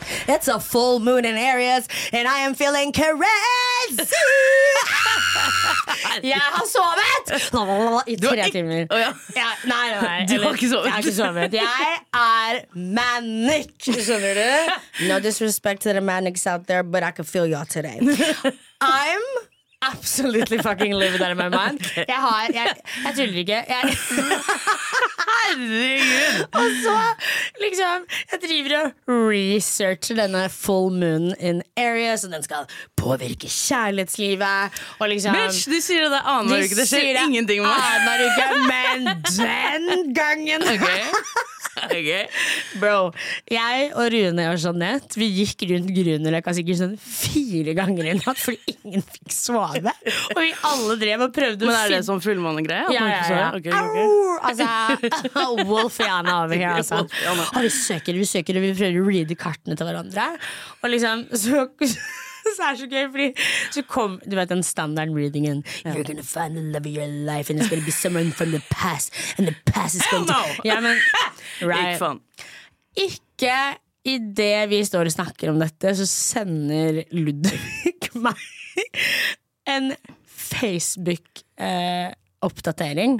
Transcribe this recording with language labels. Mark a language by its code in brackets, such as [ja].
[en] It's a full moon in Aries, and I am feeling caress. [no] Jeg har sovet i tre timer. Nei. Du har ikke sovet. Jeg har ikke sovet. Jeg manic, skjønner du? [en] No disrespect to the manics out there, but I can feel y'all today. I'm absolutely fucking living out of my mind. [no] Jeg tuller ikke. Herregud. Og så liksom, jeg driver og researcher denne [en] full moon in Aries, [no] og den skal påvirke kjærlighetslivet. Og liksom, bitch, du sier det aner du ikke. Det skjer ingenting med meg. Aner du ikke, men den gangen. Okay. Bro, jeg og Rune og Jeanette, vi gikk rundt Grunerløkka sikkert sånn 4 ganger i natt, fordi ingen fikk sove. Og vi alle drev og prøvde. Men er det sånn fullmåne-greie? Ja. Okay. Altså, Wolfiana over her, altså. Og vi søker, og vi prøver å read kartene til hverandre. Og liksom, så er det så gøy, fordi så kom, du vet, den standard readingen, [en] you're gonna find the love of your life, and it's gonna be someone from the past, and the past is going to... [no] Ja, men, [en] right. [no] Ikke i det vi står og snakker om dette, så sender Ludvig meg en Facebook-oppdatering.